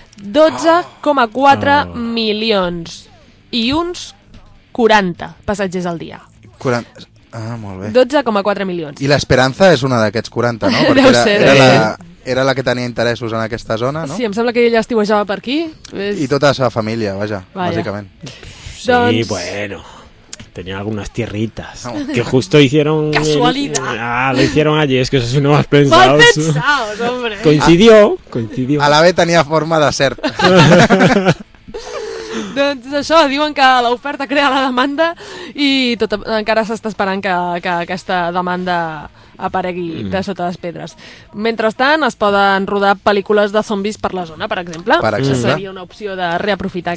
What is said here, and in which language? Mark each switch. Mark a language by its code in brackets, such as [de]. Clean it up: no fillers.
[ca] 12,4 milions i uns 40 passatgers al dia. 40. Ah, molt bé. 12,4 milions. I l'Esperanza és una d'aquests 40, no? Perquè deu ser, era la que tenia interessos en aquesta zona, no? Sí, em sembla que ella estiuejava per aquí. I tota la seva família, vaja. Bàsicament. Sí, doncs... bueno... [es] Tenía algunas tierritas que justo hicieron... ¡Casualidad! Lo hicieron allí, es que eso sí no más pensado. ¡Mal pensados, hombre! Coincidió. A la vez tenía forma de ser. [ca] Doncs això, diuen que l'oferta crea la demanda i tot, encara s'està esperant que aquesta demanda aparegui de sota les pedres. Mentrestant, es poden rodar pel·lícules de zombis per la zona, per exemple. Això seria una opció de reaprofitar